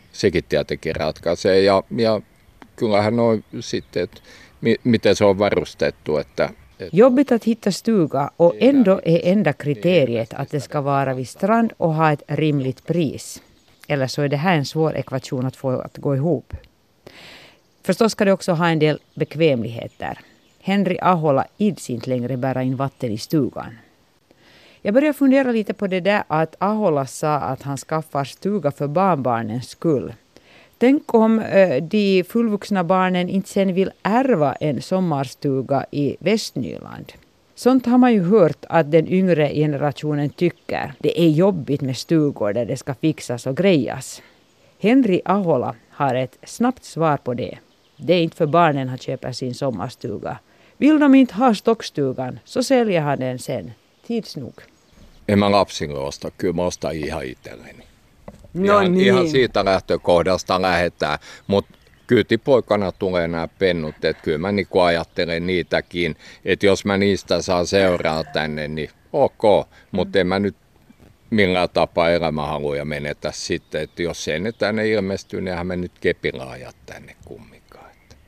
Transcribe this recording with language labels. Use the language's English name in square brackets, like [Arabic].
[Finnish] Sekin tietenkin ratkaisee ja kyllähän noin sitten, että miten se on varustettu, että [Swedish] jobbigt att hitta stuga, och ändå är enda kriteriet att det ska vara vid strand och ha ett rimligt pris. Eller så är det här en svår ekvation att få att gå ihop. Förstås ska det också ha en del bekvämligheter. Henri Ahola ids inte längre bära in vatten i stugan. Jag började fundera lite på det där att Ahola sa att han skaffar stuga för barnbarnens skull. Tänk om de fullvuxna barnen inte sen vill ärva en sommarstuga i Västnyland. Sånt har man ju hört att den yngre generationen tycker. Det är jobbigt med stugor där det ska fixas och grejas. Henri Ahola har ett snabbt svar på det. Det är inte för barnen att köpa sin sommarstuga. Vill de inte ha stockstugan så säljer han den sen. Tids nog. [Finnish] En man lapsin låsta, kyllä man ostaa ihan itselleen. No ihan, niin. Ihan siitä lähtökohdasta lähdetään, mutta kyytipoikana tulee nämä pennut, että kyllä mä niinku ajattelen niitäkin, että jos mä niistä saan seuraa tänne, niin ok, mutta en mä nyt millään tapaa elämä haluja menetä sitten, että jos ei ne tänne ilmesty, niin eihän mä nyt kepillä aja tänne kumminkaan. Että.